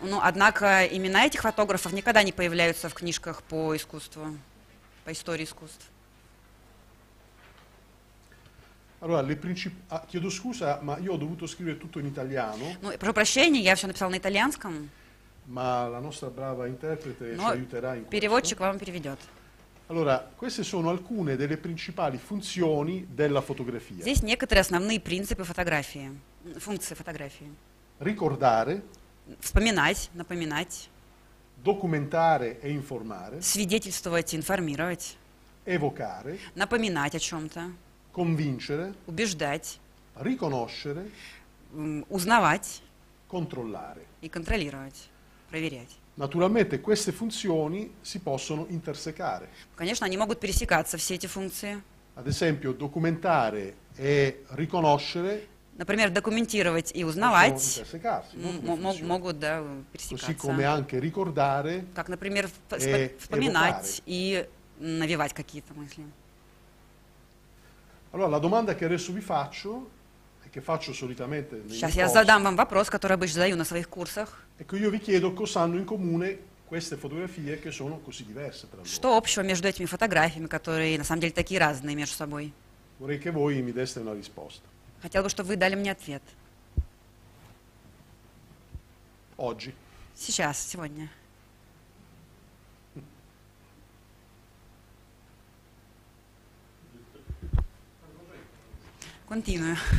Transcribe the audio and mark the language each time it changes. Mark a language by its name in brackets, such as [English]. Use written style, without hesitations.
[Russian] Ну, однако имена этих фотографов никогда не появляются в книжках по искусству, по истории искусств. [Italian] Allora, chiedo scusa, ma io ho dovuto scrivere tutto in italiano. [Russian] Ну, прошу прощения, я все написал на итальянском. [Italian] Ma la nostra brava interprete ci aiuterà in questo. [Russian] Переводчик вам переведет. [Italian] Allora, queste sono alcune delle principali funzioni della fotografia. [Russian] Здесь некоторые основные принципы фотографии, функции фотографии. [Italian] Ricordare. [Russian] Вспоминать, напоминать. [Italian] Документare e informare. [Russian] Свидетельствовать, информировать. [Italian] Evocare. [Russian] Напоминать о чем-то. [Italian] Convincere. [Russian] Убеждать. [Italian] Riconoscere. [Russian] Узнавать. [Italian] Controllare. [Russian] И контролировать. Проверять. [Italian] Naturalmente queste funzioni si possono intersecare. [Russian] Конечно, они могут пересекаться все эти функции. [Italian] Ad esempio, documentare e riconoscere. [Russian] Например, документировать и узнавать. Могут да, пересекаться. [Italian] Così come anche ricordare. [Russian] Как, например, вспоминать и навевать какие-то мысли. [Italian] Allora, la domanda che adesso vi faccio e che faccio solitamente nei [Russian] Сейчас я задам вам вопрос, который обычно задаю на своих курсах. [Italian] Ecco, io vi chiedo cosa hanno in comune queste fotografie che sono così diverse tra loro. [Russian] Что общего между этими фотографиями, которые на самом деле такие разные между собой? [Italian] Vorrei che voi mi deste una risposta. [Russian] Хотел бы, чтобы вы дали мне ответ. [Italian] Oggi. [Russian] Сейчас, сегодня. [English] Continue.